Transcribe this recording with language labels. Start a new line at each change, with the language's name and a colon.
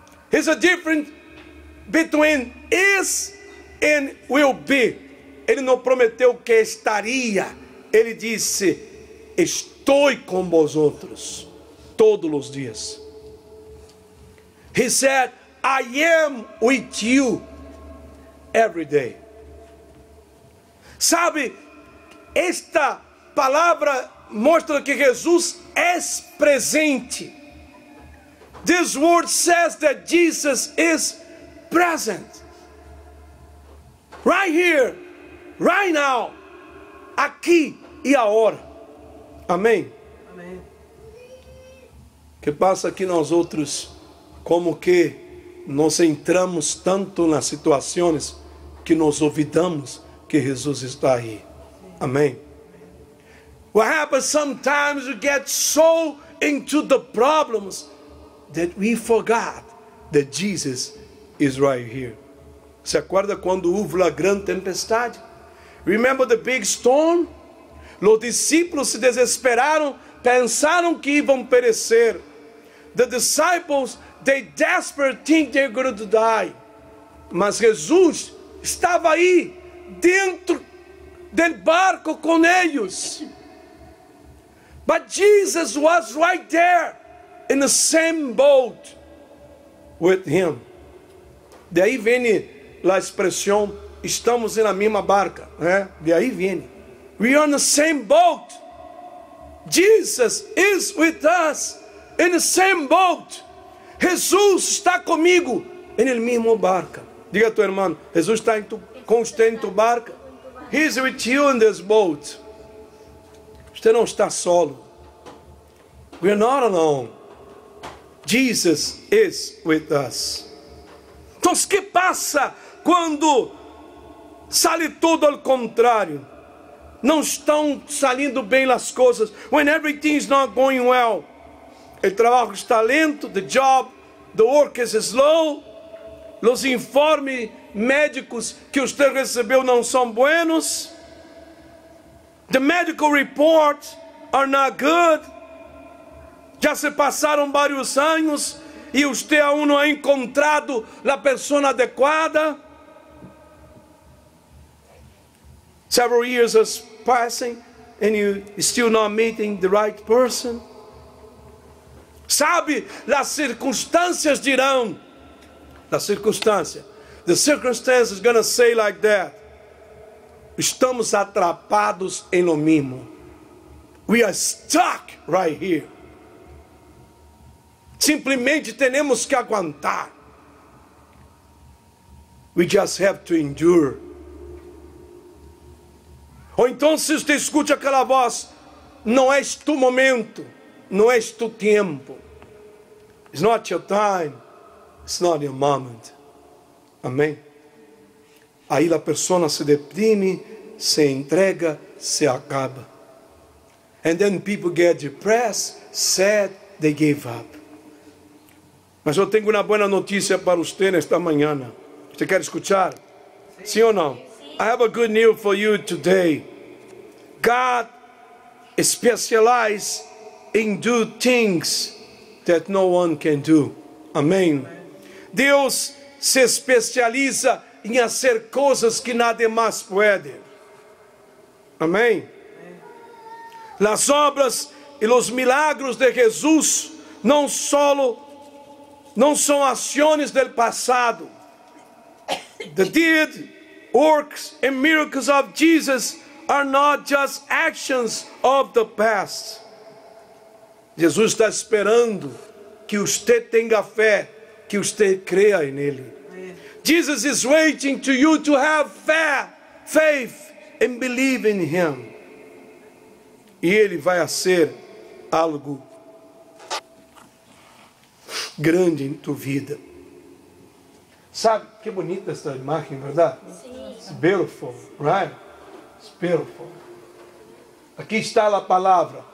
English: There's a difference between is and will be.
Portuguese: Ele não prometeu que estaria. Ele disse, estou com vosotros todos os dias.
English: He said, I am with you every day.
Portuguese: Sabe, esta palavra mostra que Jesus é presente.
English: This word says that Jesus is present. Right here. Right now,
Portuguese: aqui e agora. Amém? Amém. Que passa aqui nós outros, como que nós entramos tanto nas situações que nos olvidamos que Jesus está aí. Amém?
English: What happens sometimes we get so into the problems that we forgot that Jesus is right here.
Portuguese: Você acorda quando houve a grande tempestade?
English: Remember the big storm?
Portuguese: Os discípulos se desesperaram, pensaram que iam perecer.
English: The disciples, they desperately think they're going to die.
Portuguese: Mas Jesus estava aí, dentro do barco com eles.
English: But Jesus was right there, in the same boat with him.
Portuguese: Daí vem a expressão, estamos na mesma barca, né? De aí vem.
English: We are on the same boat. Jesus is with us in the same boat.
Portuguese: Jesus está comigo em
Spanish: el mismo barco.
Portuguese: Diga a tu irmão, Jesus está em tu constante barco.
English: He is with you in this boat.
Portuguese: Você não está solo.
English: We are not alone. Jesus is with us.
Portuguese: Então, o que passa quando sale tudo ao contrário? Não estão saindo bem as coisas.
English: When everything is not going well.
Portuguese: O trabalho está lento.
English: The job, the work is slow.
Portuguese: Os informes médicos que você recebeu não são buenos.
English: The medical reports are not good.
Portuguese: Já se passaram vários anos e você ainda não encontrado a pessoa adequada.
English: Several years are passing and you still not meeting the right person.
Portuguese: Sabe, as circunstâncias dirão.
English: The circumstances are going to say like that.
Portuguese: Estamos atrapados em lo mesmo.
English: We are stuck right here.
Portuguese: Simplesmente temos que aguentar.
English: We just have to endure.
Portuguese: Ou então se você escute aquela voz, não é tu momento, não é tu tempo.
English: It's not your time, it's not your moment. Amém?
Portuguese: Aí a pessoa se deprime, se entrega, se acaba.
English: And then people get depressed, sad, they give up.
Portuguese: Mas eu tenho uma boa notícia para você nesta manhã. Você quer escutar? Sim ou não?
English: I have a good news for you today. God specializes in do things that no one can do.
Portuguese: Amém. Deus se especializa em fazer coisas que nada mais pode. Amém. As obras e os milagros de Jesus não são ações do passado.
English: The deed, works and miracles of Jesus are not just actions of the past.
Portuguese: Jesus está esperando que você tenha fé, que você creia nele.
English: Jesus is waiting to you to have faith and believe in him.
Portuguese: E ele vai fazer algo grande em tua vida. Sabe que bonita essa imagem, verdade? Sim.
English: It's beautiful, right? It's beautiful.
Portuguese: Aqui está a palavra.